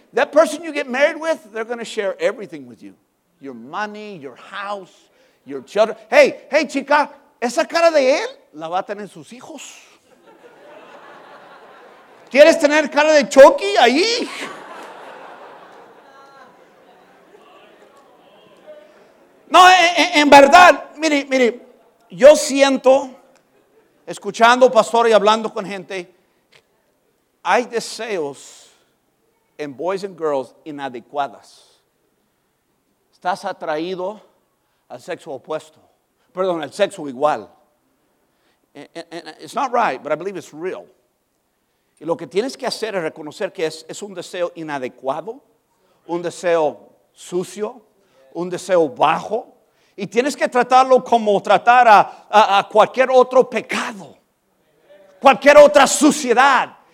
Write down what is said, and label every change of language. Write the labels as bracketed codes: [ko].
[en] That person you get married with, they're going to share everything with you. Your money, your house, your children. [es] Hey, chica, esa cara de él la va a tener sus hijos. ¿Quieres tener cara de Chucky ahí? No, en verdad, mire. Yo siento, escuchando pastor y hablando con gente, hay deseos en [en] boys and girls [es] inadecuadas. Estás atraído al sexo opuesto, perdón, al sexo igual. [en] And it's not right, but I believe it's real. [es] Y lo que tienes que hacer es reconocer que es un deseo inadecuado, un deseo sucio, un deseo bajo. Y tienes que tratarlo como tratar a cualquier otro pecado, cualquier otra suciedad.